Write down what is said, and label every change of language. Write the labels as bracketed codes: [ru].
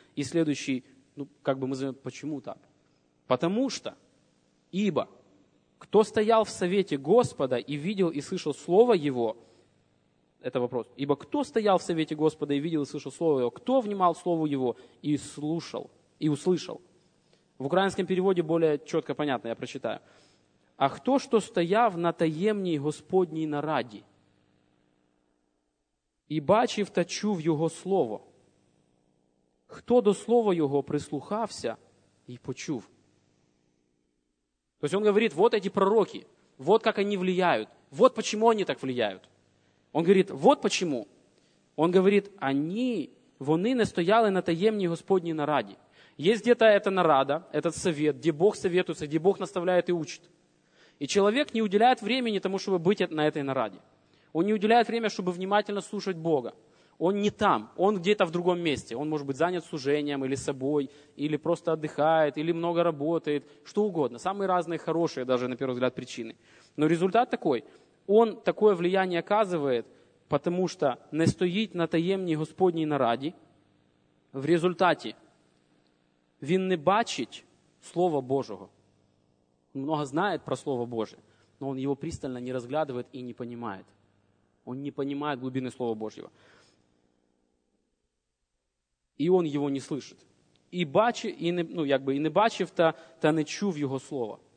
[ru] И следующий, мы знаем, почему так? Потому что, ибо, кто стоял в совете Господа и видел и слышал Слово Его, это вопрос, ибо кто стоял в совете Господа и видел и слышал Слово Его, кто внимал Слову Его и слушал, и услышал? В украинском переводе более четко понятно, я прочитаю. [uk] А кто, что стояв на таємній Господній нараді, і бачив та чув Його Слово, хто до Слова Його прислухався і почув? [ru] То есть он говорит, вот эти пророки, вот как они влияют, вот почему они так влияют. Он говорит, вот почему. Он говорит, [uk] вони не стояли на таємній Господній нараді. [ru] Есть где-то эта нарада, этот совет, где Бог советуется, где Бог наставляет и учит. И человек не уделяет времени тому, чтобы быть на этой нараде. Он не уделяет время, чтобы внимательно слушать Бога. Он не там, он где-то в другом месте. Он может быть занят служением или собой, или просто отдыхает, или много работает, что угодно. Самые разные хорошие даже, на первый взгляд, причины. Но результат такой. Он такое влияние оказывает, потому что не стоит [uk] на таємній Господній нараді. [ru] В результате [uk] він не бачить Слова Божого. [ru] Много знает про Слово Божие, но он его пристально не разглядывает и не понимает. Он не понимает глубины Слова Божьего. И он его не слышит. И [uk] не бачив, не чув [ru] его слова.